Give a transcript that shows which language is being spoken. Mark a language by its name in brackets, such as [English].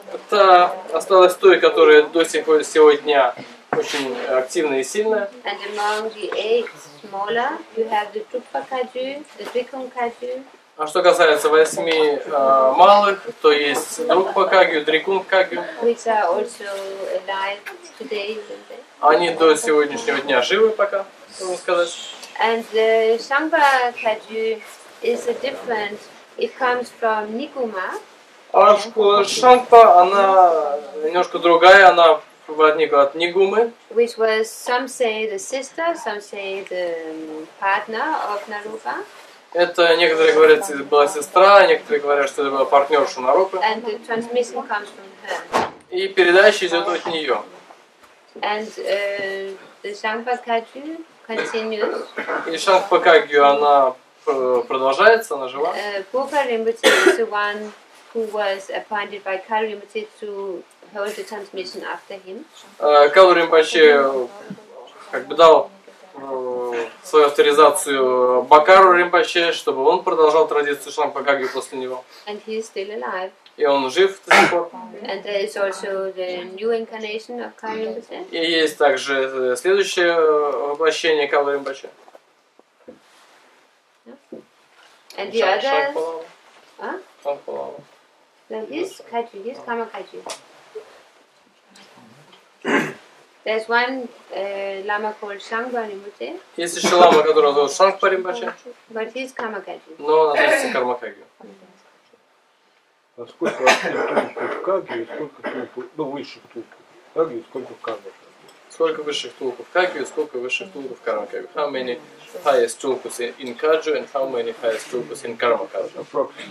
[Russian] Та осталась той, которая до сих пор сегодня очень активная и сильная. [English] And among the eight smaller, you have the Trungpa Kagyu, the Drikung Kagyu. [Russian] А что касается восьми малых, то есть Drungpa Kagyu, Drikung Kagyu. [English] Which are also alive today. [Russian] Они до сегодняшнего дня живы пока, можно сказать. [English] And the Shangpa Kagyu is a different. It comes from Nikuma. [Russian] А школа Шангпа, она немножко другая, она возникла от Нигумы. [English] Which was some say the sister, some say the partner of Narupa. [Russian] Это некоторые говорят, что это была сестра, некоторые говорят, что это была партнерша Нарупы. [English] And the transmission comes from her. [Russian] И передача идет от нее. [English] And the Шангпа Кагю continues. [Russian] И Шангпа Кагю, она продолжается, она жива. [English] Пупа Римбути is the one who was appointed by Kali Rinpoche to hold the transmission after him. [Russian] Kali Rinpoche как бы дал свою авторизацию Бакару Римпаче, чтобы он продолжал традицию Шангпа Кагю после него. [English] And he is still alive. [Russian] И он жив до сих пор. [English] And there is also the new incarnation of Kali Rinpoche. [Russian] И есть также следующее воплощение Kali Rinpoche. [English] And the other, His Kama Kagyu. There's one lama called Shangpa Rinpoche. [Russian] Есть еще лама, которая зовут Шангпа Римпаче. [English] But his Kama Kagyu. [Russian] Но она называется Карма Кагю. А сколько вообще Кагю, сколько тулков, ну высших тулков, Кагю, сколько Карма Кагю? Сколько высших тулков Кагю, сколько высших тулков Карма Кагю? [English] How many highest tulkus in Kagyu and how many highest tulkus in Karma Kagyu?